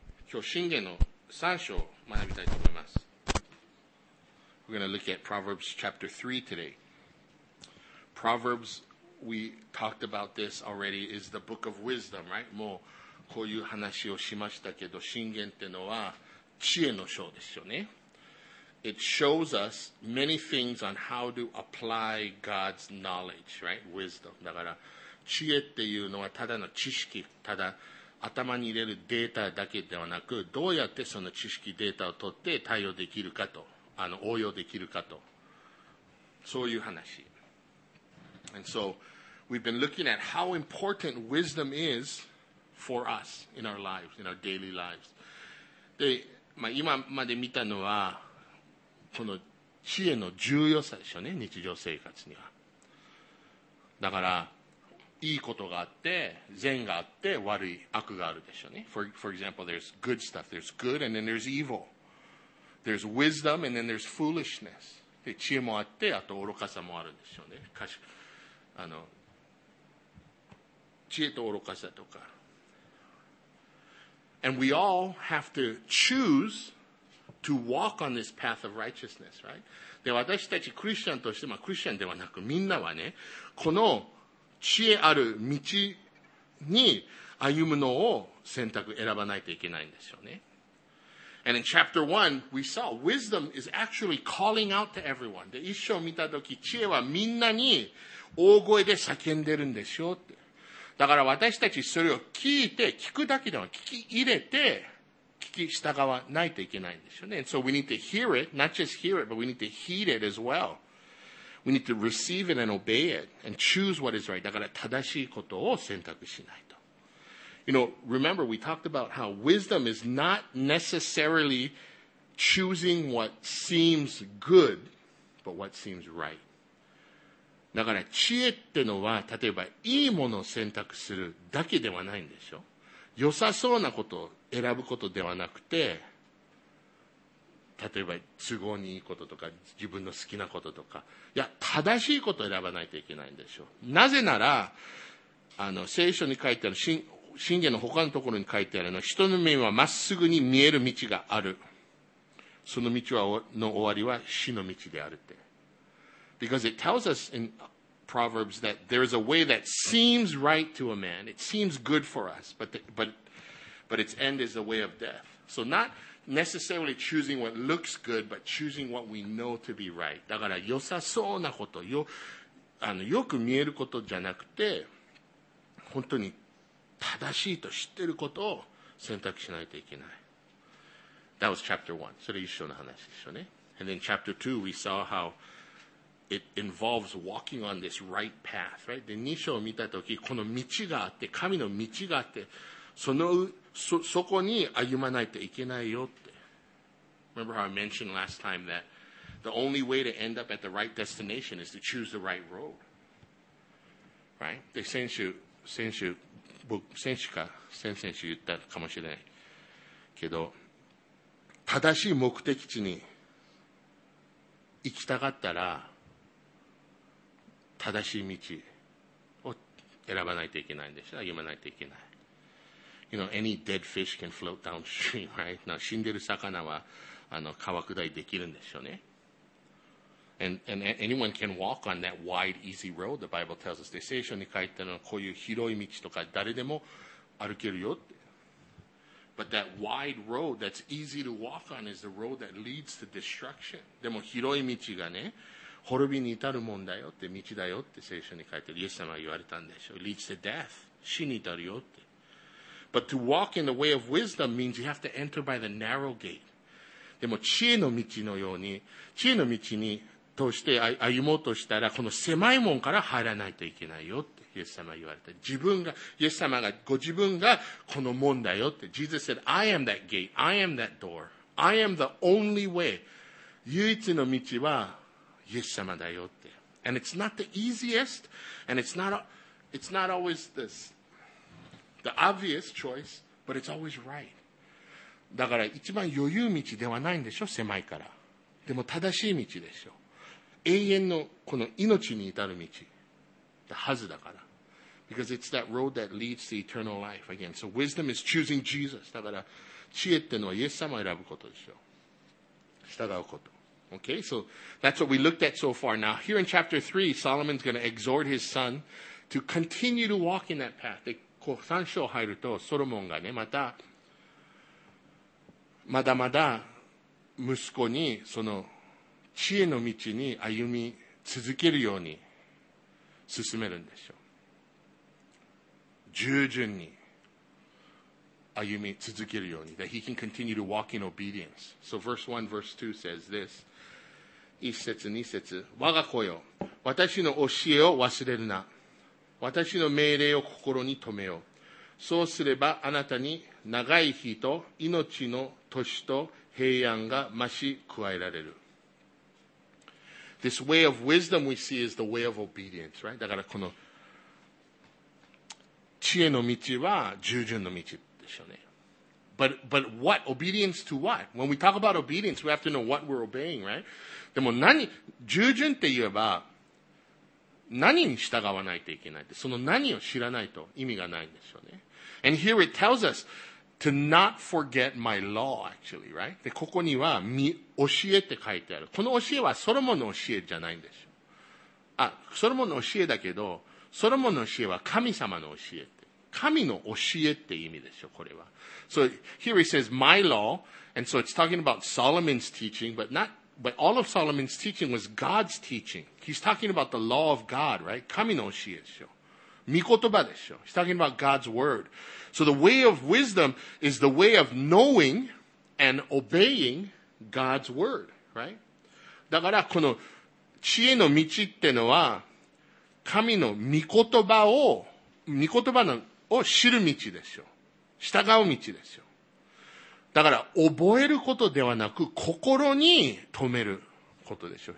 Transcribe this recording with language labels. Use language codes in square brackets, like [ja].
[ja] 今日箴言の三章を学びたいと思います。 [en] We're going to look at Proverbs chapter 3 today. Proverbs, we talked about this already, is the book of wisdom, right? [ja] もうこういう話をしましたけど、箴言ってのは知恵の書ですよね。 [en] It shows us many things on how to apply God's knowledge, right? Wisdom. [ja] だから知恵っていうのはただの知識、ただ頭に入れるデータだけではなく、どうやってその知識データを取って対応できるかと、応用できるかと、そういう話。 [en] And so, we've been looking at how important wisdom is for us in our lives, in our daily lives. [ja] で、まあ、今まで見たのは、この知恵の重要さでしょうね、日常生活には。だから、いいことがあって、善があって、悪い悪があるでしょうね。 [en] For example, there's good stuff. There's good and then there's evil. There's wisdom and then there's foolishness. [ja] で、知恵もあって、あと愚かさもあるでしょうね。知恵と愚かさとか。 [en] And we all have to choose... to walk on this path of righteousness, right? [ja] で、私たちクリスチャンとして、まあクリスチャンではなく、みんなはね、この知恵ある道に歩むのを選択、選ばないといけないんですよね。 [en] And in chapter 1, we saw wisdom is actually calling out to everyone. [ja] で、一章見たとき、知恵はみんなに大声で叫んでるんですよって。だから私たちそれを聞いて、聞くだけでは聞き入れて、聞き従わないといけないんですよね。 [en] And so we need to hear it, not just hear it, but we need to heed it as well. We need to receive it and obey it and choose what is right. [ja] だから正しいことを選択しないと。 [en] You know, remember we talked about how wisdom is not necessarily choosing what seems good, but what seems right. [ja] だから知恵ってのは、例えばいいものを選択するだけではないんでしょ。良さそうなことを選ぶことではなくて、例えば都合にいいこととか自分の好きなこととか、いや正しいことを選ばないといけないんでしょう。なぜなら聖書に書いてある箴言の他のところに書いてあるの、人の目はまっすぐに見える道がある、その道はの終わりは死の道であるって。 [en] Because it tells us in Proverbs that there is a way that seems right to a man, it seems good for us, but its end is the way of death. So not necessarily choosing what looks good, but choosing what we know to be right. [ja] だから良さそうなこと、よく見えることじゃなくて、本当に正しいと知ってることを選択しないといけない。 [en] That was chapter 1. [ja] それ一緒の話でしょうね。 [en] And then chapter 2, we saw how it involves walking on this right path, right? [ja] で、2章を見たとき、この道があって、神の道があって、そこに歩まないといけないよって。 [en] Remember how I mentioned last time that the only way to end up at the right destination is to choose the right road. Right? [ja] で、先週言ったかもしれないけど、正しい目的地に行きたかったら、正しい道を選ばないといけないんでしょ。歩まないといけない。 [en] You know, any dead fish can float downstream, right? [ja] Now, 死んでる魚は川下りできるんですよね。 [en] And anyone can walk on that wide, easy road, the Bible tells us. [ja] 聖書に書いてあるのはこういう広い道とか誰でも歩けるよって。 [en] But that wide road that's easy to walk on is the road that leads to destruction. [ja] でも広い道がね、滅びに至るもんだよって、道だよって聖書に書いてある。イエス様が言われたんでしょ。 [en] Leads to death. [ja] 死に至るよって。 [en] But to walk in the way of wisdom means you have to enter by the narrow gate. [ja] でも知恵の道のように、知恵の道にとして歩もうとしたら、この狭い門から入らないといけないよって、イエス様が言われた。イエス様が、ご自分がこの門だよって。 [en] Jesus said, I am that gate. I am that door. I am the only way. [ja] 唯一の道はイエス様だよって。 [en] And it's not the easiest, and it's not always this. The obvious choice, but it's always right. [ja] だから一番余裕道ではないんでしょ、狭いから。でも正しい道でしょ。永遠のこの命に至る道。はずだから。 [en] because it's that road that leads to eternal life again. So wisdom is choosing Jesus. [ja] だから知恵ってのはイエス様を選ぶことでしょう。従うこと。 [en] Okay, so that's what we looked at so far. Now, here in chapter 3, Solomon's going to exhort his son to continue to walk in that path. [ja] で、こう3章入ると、ソロモンがね、また、まだまだ息子に、その、知恵の道に歩み続けるように進めるんでしょう。従順に歩み続けるように。 [en] That he can continue to walk in obedience. So verse 1, verse 2 says this. [ja] 一節二節、我が子よ、私の教えを忘れるな。私の命令を心に留めよ。そうすればあなたに長い日と命の年と平安が増し加えられる。 [en] This way of wisdom we see is the way of obedience, right? [ja] だからこの知恵の道は従順の道でしょうね。 [en] But what? Obedience to what? When we talk about obedience, we have to know what we're obeying, right? [ja] でも何、従順って言えば、何に従わないといけないって、その何を知らないと意味がないんでしょうね。 [en] And here it tells us to not forget my law, actually, right? [ja] で、ここには、教えって書いてある。この教えはソロモンの教えじゃないんでしょう。あ、ソロモンの教えだけど、ソロモンの教えは神様の教えって。神の教えって意味でしょ、これは。 [en] So, here he says, my law, and so it's talking about Solomon's teaching, but all of Solomon's teaching was God's teaching. He's talking about the law of God, right? [ja] 神の教えでしょ。御言葉でしょ。 [en] He's talking about God's word. So the way of wisdom is the way of knowing and obeying God's word, right? [ja] だから、この知恵の道ってのは、神の御言葉を知る道でしょう。従う道でしょう。だから、覚えることではなく、心に留めることでしょう。